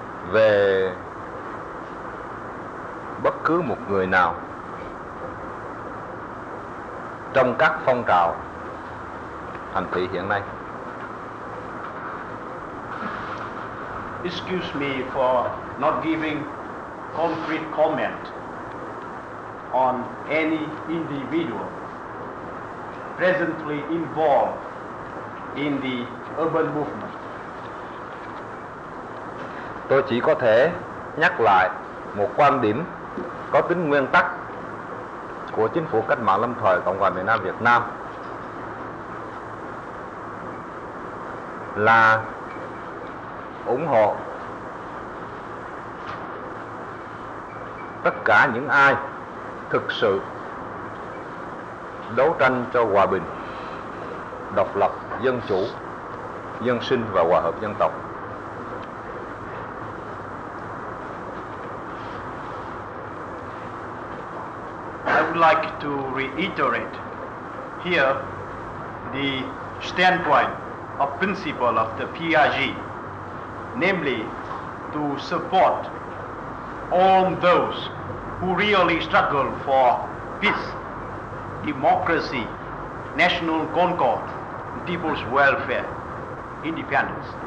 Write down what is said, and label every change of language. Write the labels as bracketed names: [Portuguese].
[Vietnamese] Về bất cứ một người nào trong các phong trào thành thị hiện nay. [English] Excuse me for not giving concrete comment on any individual presently involved in the urban movement. [Vietnamese] Tôi chỉ có thể nhắc lại một quan điểm có tính nguyên tắc của chính phủ cách mạng lâm thời Cộng hòa miền Nam Việt Nam là ủng hộ tất cả những ai thực sự đấu tranh cho hòa bình, độc lập, dân chủ, dân sinh và hòa hợp dân tộc. [English] I would like to reiterate here the standpoint of principle of the PRG, namely to support all those who really struggle for peace, democracy, national concord, people's welfare, independence.